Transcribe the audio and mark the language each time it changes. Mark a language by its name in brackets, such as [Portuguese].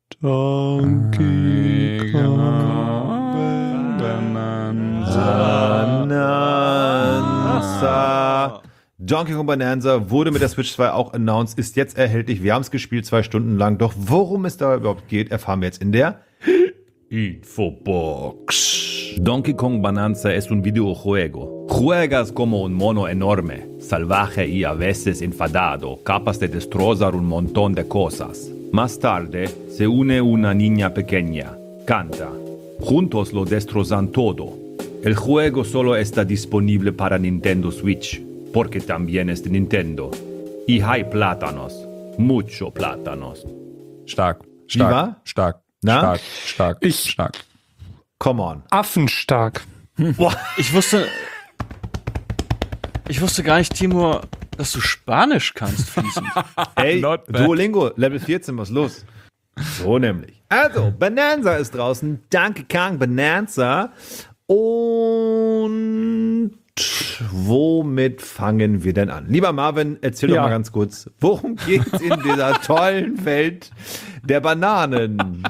[German] Donkey Kong Bonanza. Donkey Kong Bonanza wurde mit der Switch 2 auch announced, ist jetzt erhältlich. Wir haben es gespielt 2 Stunden lang. Doch worum es da überhaupt geht, erfahren wir jetzt in der Infobox. [Spanish] Donkey Kong Bonanza es un videojuego. Juegas como un mono enorme, salvaje y a veces enfadado, capaz de destrozar un montón de cosas. Más tarde, se une una niña pequeña. Canta. Juntos lo destrozan todo. El juego solo está disponible para Nintendo Switch, porque también es de Nintendo. Y hay plátanos. Mucho plátanos. [German] Stark. Stark. Viva? Stark. Na? Stark, stark, ich, stark. [English] Come on. [German] Affenstark. Boah, ich wusste gar nicht, Timur, Dass du Spanisch kannst fließend. Ey, Duolingo, Level 14, was los? So nämlich. Also, Bonanza ist draußen. Danke, Kang, Bonanza. Und womit fangen wir denn an? Lieber Marvin, erzähl doch mal ganz kurz, worum geht's in dieser tollen Welt der Bananen?